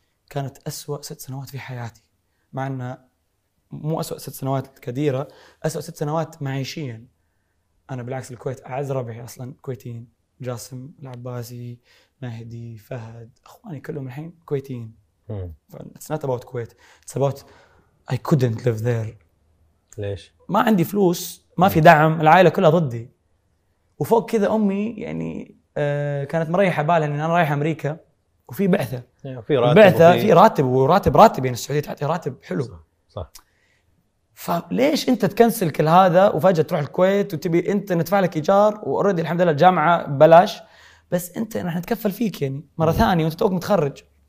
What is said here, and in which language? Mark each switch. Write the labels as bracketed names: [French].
[Arabic] كانت أسوأ 6 سنوات في حياتي، مع أن مو أسوأ 6 سنوات كثيرة، أسوأ 6 سنوات معيشيا. أنا بالعكس الكويت أعز ربعي أصلا كويتيين، جاسم العباسي، مهدي، فهد، أخواني كلهم الحين كويتيين. [English] It's not about Kuwait, it's about I couldn't live there. [Arabic] ليش؟ ما عندي فلوس، ما في دعم، العائلة كلها ضدي، وفوق كذا أمي يعني كانت مريحة بالها إن أنا رايح أمريكا وفي بعثة، في راتب، بعثة في راتب وراتب راتب، يعني السعودية تعطي راتب حلو. فليش أنت تكنسل كل هذا وفجأة تروح الكويت وتبي أنت ندفع لك إيجار وأوردي الحمد لله الجامعة بلاش، بس أنت راح نتكفل فيك يعني مرة ثانية وأنت توك متخرج.